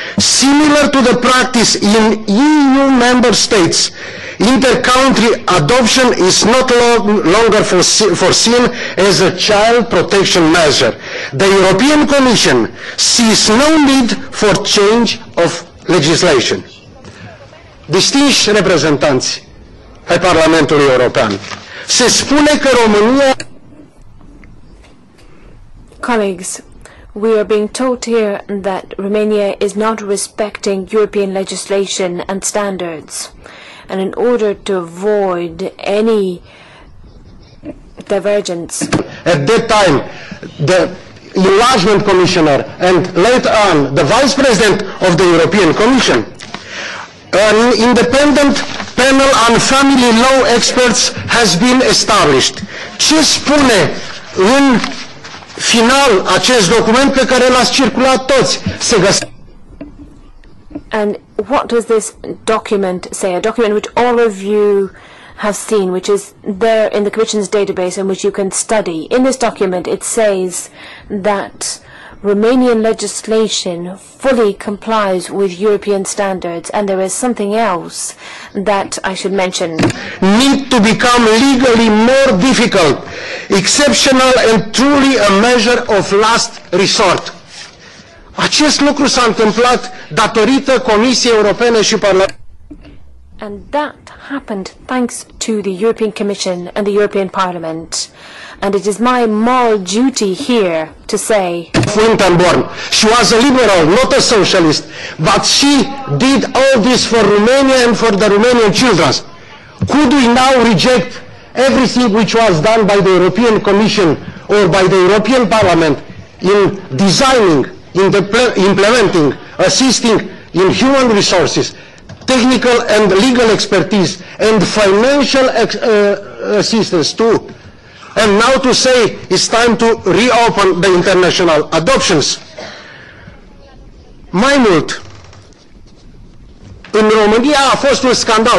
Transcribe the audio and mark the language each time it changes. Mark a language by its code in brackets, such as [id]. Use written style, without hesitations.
[en] Similar to the practice in EU member states, inter-country adoption is not longer foreseen as a child protection measure. The European Commission sees no need for change of legislation. [ro] Distinși reprezentanți ai Parlamentului European, se spune că România. [en] Colleagues, we are being told here that Romania is not respecting European legislation and standards, and in order to avoid any divergence. At that time, the Enlargement Commissioner and later on the Vice President of the European Commission, an independent panel on family law experts has been established. [ro] Ce spune în final acest document pe care l-ați circulat toți? Se găsește. [en] And what does this document say? A document which all of you have seen, which is there in the Commission's database and which you can study. In this document, it says that Romanian legislation fully complies with European standards, and there is something else that I should mention. Need to become legally more difficult, exceptional, and truly a measure of last resort. [ro] Acest lucru s-a întâmplat datorită Comisiei Europene și Parlamentului. [en] And that happened thanks to the European Commission and the European Parliament. And it is my moral duty here to say. Fontenborn, she was a liberal, not a socialist, but she did all this for Romania and for the Romanian children. Could we now reject everything which was done by the European Commission or by the European Parliament in designing, in implementing, assisting in human resources, technical and legal expertise, and financial assistance too? And now to say it's time to reopen the international adoptions. [ro] Mai mult, în România a fost un scandal.